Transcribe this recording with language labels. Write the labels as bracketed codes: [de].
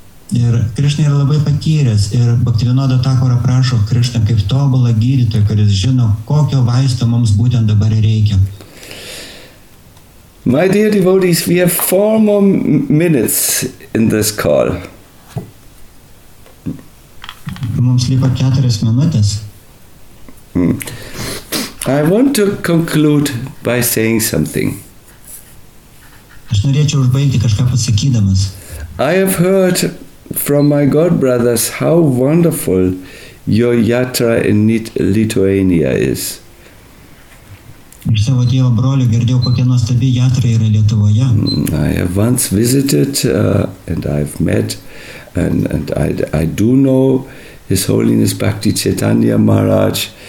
[lt] Ir Krishna yra labai patyręs ir Bhaktivinoda Thakur aprašo Krishna kaip tobulą gydytoją, kuris žino, kokio vaisto mums būtent dabar reikia. [en] My dear devotees, we have 4 more minutes in this call. [lt] Mums liko 4 minutės. [en] I want to conclude by saying something. [lt] Aš norėčiau užbaigti kažką pasakydamas. [en] I have heard from my god brothers how wonderful your yatra in Lithuania is. [lt] Iš savo dievo brolio girdėjau, kokia nuostabi jatra yra Lietuvoje. [en] I have once visited and I've met and I do know His Holiness Bhakti Chaitanya Maharaj.